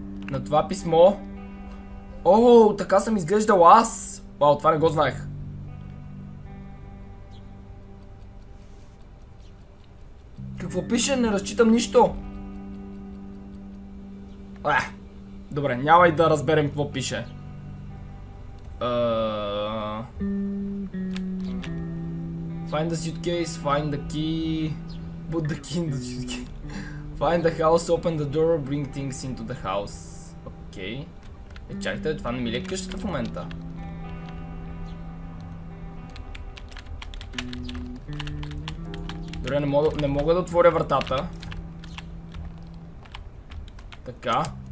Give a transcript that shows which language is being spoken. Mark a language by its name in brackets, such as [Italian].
[Bulgarian] На това писмо. О, така съм изглеждал аз. Вау, това не го знаех. Какво пише? Не разчитам нищо. Добре, няма и да разберем какво пише. [English] Find the suitcase, find the key. Put the key in the suitcase. Find the house, open the door, bring things into the house. [Bulgarian] Окей. Е, чакайте, това не ми ли е къщата в момента? Добре, не мога да отворя вратата. Така.